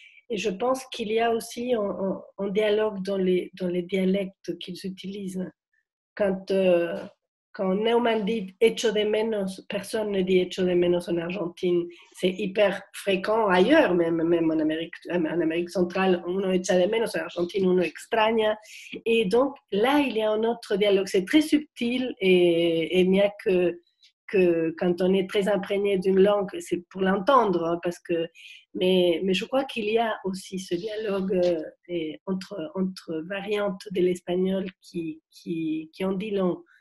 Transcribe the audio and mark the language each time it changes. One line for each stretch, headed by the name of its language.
French: Et je pense qu'il y a aussi un dialogue dans les dialectes qu'ils utilisent. Quand Neumann dit «
Spanish: echo de menos
French: », personne ne dit « echo de menos » en Argentine. C'est hyper fréquent ailleurs, même en Amérique centrale.
Spanish: Uno echa de menos,
French: en Argentine,
Spanish: uno extraña.
French: Et donc, là, il y a un autre dialogue. C'est très subtil et il n'y a que quand on est très imprégné d'une langue, c'est pour l'entendre. Mais je crois qu'il y a aussi ce dialogue entre variantes de l'espagnol qui en dit long.